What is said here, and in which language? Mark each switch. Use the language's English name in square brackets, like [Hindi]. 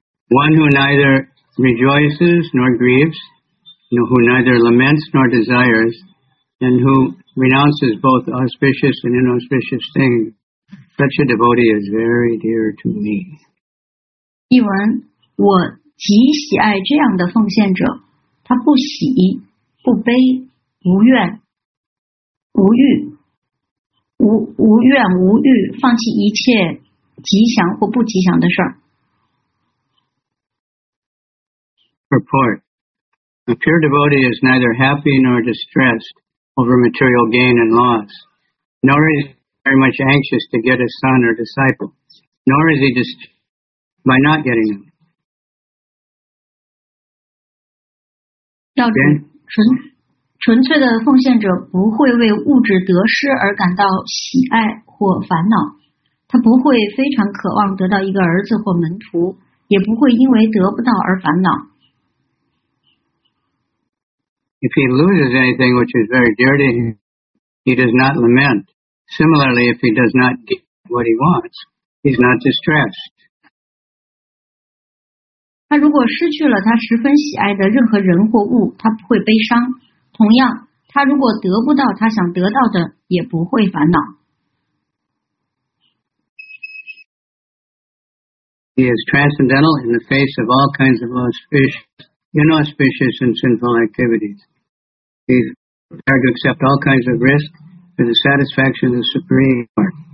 [English] One who neither rejoices nor grieves, who neither laments nor desires, and who renounces both auspicious and inauspicious things, such a devotee is very dear to me. [Chinese] 译文：我极喜爱这样的奉献者，他不喜、不悲、无怨、无欲、无怨无欲，放弃一切吉祥或不吉祥的事儿。 [English] Purport: A pure devotee is neither happy nor distressed over material gain and loss, nor is he very much anxious to get a son or disciple, nor is he distressed by not getting them. [Chinese] 要纯、纯粹的奉献者不会为物质得失而感到喜爱或烦恼，他不会非常渴望得到一个儿子或门徒，也不会因为得不到而烦恼。 [English] If he loses anything which is very dear to him, he does not lament. Similarly, if he does not get what he wants, he's not distressed. [Chinese] 他如果失去了他十分喜爱的任何人或物，他不会悲伤。同样，他如果得不到他想得到的，也不会烦恼。 [English] He is transcendental in the face of all kinds of inauspicious and sinful activities. He is prepared to accept all kinds of risk for the satisfaction of the Supreme Lord.